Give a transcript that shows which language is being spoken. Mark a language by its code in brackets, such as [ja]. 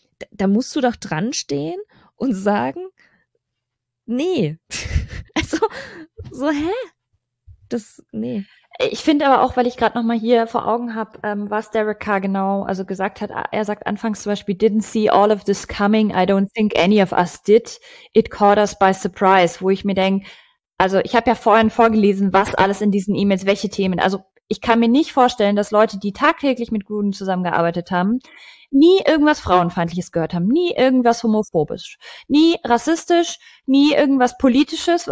[de] da musst du doch dran stehen und sagen, nee. Also, so, hä? Das, nee. Ich finde aber auch, weil ich gerade noch mal hier vor Augen habe, was Derek Carr genau also gesagt hat. Er sagt anfangs zum Beispiel, [en] didn't see all of this coming. I don't think any of us did. It caught us by surprise. [de] Wo ich mir denke, also ich habe ja vorhin vorgelesen, was alles in diesen E-Mails, welche Themen. Also ich kann mir nicht vorstellen, dass Leute, die tagtäglich mit Gruden zusammengearbeitet haben, nie irgendwas Frauenfeindliches gehört haben, nie irgendwas homophobisch, nie rassistisch, nie irgendwas Politisches.